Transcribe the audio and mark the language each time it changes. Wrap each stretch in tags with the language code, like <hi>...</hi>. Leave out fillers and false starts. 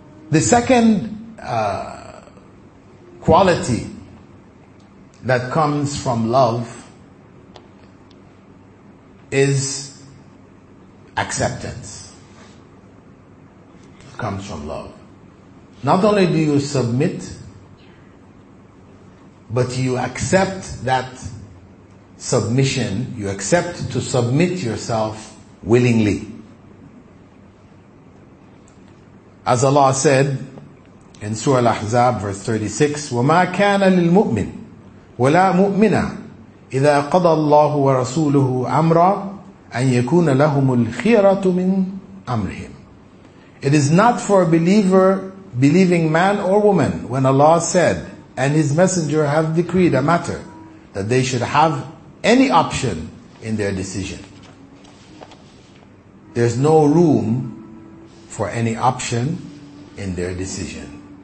<en>The second quality that comes from love is acceptance. It comes from love. Not only do you submit, but you accept that submission. You accept to submit yourself willingly. As Allah said in Surah Al-Ahzab, verse 36,</en> <ar>وَمَا كَانَ لِلْمُؤْمِنِ وَلَا مُؤْمِنَ إِذَا قَضَى اللَّهُ وَرَسُولُهُ أَمْرًا أَنْ يَكُونَ لَهُمُ الْخِيَرَةُ مِنْ أَمْرِهِمْ.</ar> <en>It is not for a believing man or woman, when Allah said and His Messenger have decreed a matter, that they should have any option in their decision. There's no room for any option in their decision.</en>